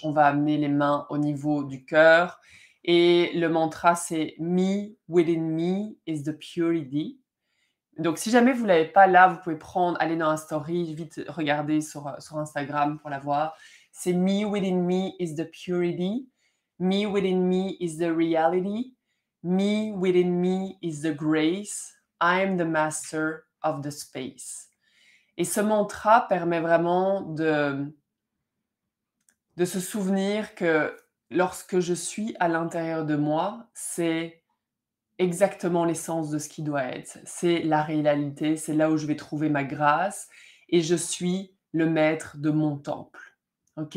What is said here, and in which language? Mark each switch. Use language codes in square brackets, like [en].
[fr] On va amener les mains au niveau du cœur. Et le mantra, c'est « [en] Me within me is the purity ». [fr] Donc, si jamais vous ne l'avez pas là, vous pouvez prendre, aller dans la story, vite regarder sur Instagram pour la voir. [en] C'est « Me within me is the purity. Me within me is the reality. Me within me is the grace. I am the master of the space. [fr] » Et ce mantra permet vraiment de se souvenir que lorsque je suis à l'intérieur de moi, c'est... exactement l'essence de ce qui doit être. C'est la réalité, c'est là où je vais trouver ma grâce et je suis le maître de mon temple. Ok.